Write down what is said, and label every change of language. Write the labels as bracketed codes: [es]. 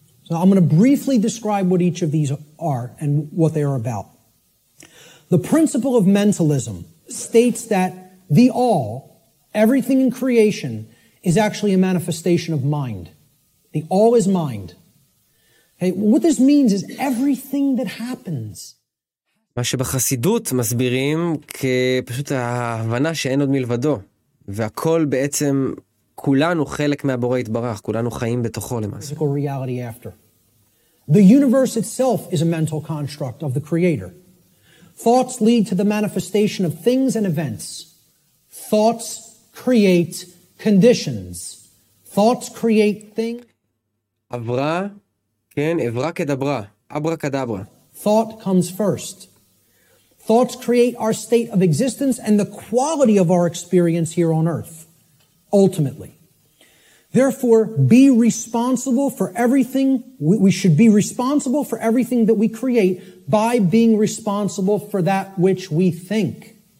[en] So I'm going to briefly describe what each of these are and what they are about. The principle of mentalism states that the all, everything in creation, is actually a manifestation of mind. The all is mind. Hey, what this means is everything that happens. [he] מה שבחסידות מסבירים כפשוט ההבנה שאין עוד מלבדו, והכל בעצם כולנו חלק מהבורא יתברך, כולנו חיים בתוכו למעשה. [en] Physical reality after. The universe itself is a mental construct of the creator. Thoughts lead to the manifestation of things and events. Thoughts create conditions. Thoughts create things. [he] עברה כן, עברה כדברה, אברה כדברה. [en] Thought comes first. Thoughts create our state of existence and the quality of our experience here on earth, ultimately. Therefore, be responsible for everything, we should be responsible for everything that we create by being responsible for that which we think.